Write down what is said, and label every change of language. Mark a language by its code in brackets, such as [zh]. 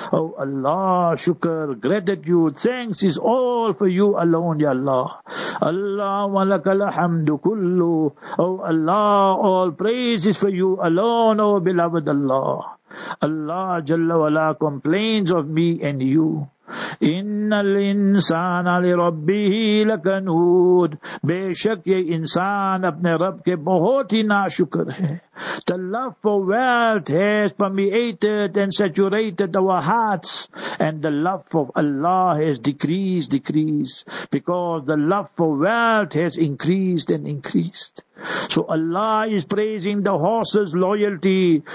[en] Oh Allah, shukr, gratitude, thanks is all for you alone, ya Allah. [ar] Allahumma laka alhamdu kullu. [en] Oh Allah, all praise is for you alone, oh beloved Allah. Allah jalla wala complains of me and you. [ar] ان الانسان لربه لكنود, [ur] بے شک یہ انسان اپنے رب کے بہت ہی ناشکر ہے. [en] The love for wealth has permeated and saturated our hearts, and the love of Allah has decreased, because the love for wealth has increased. So Allah is praising the horse's loyalty.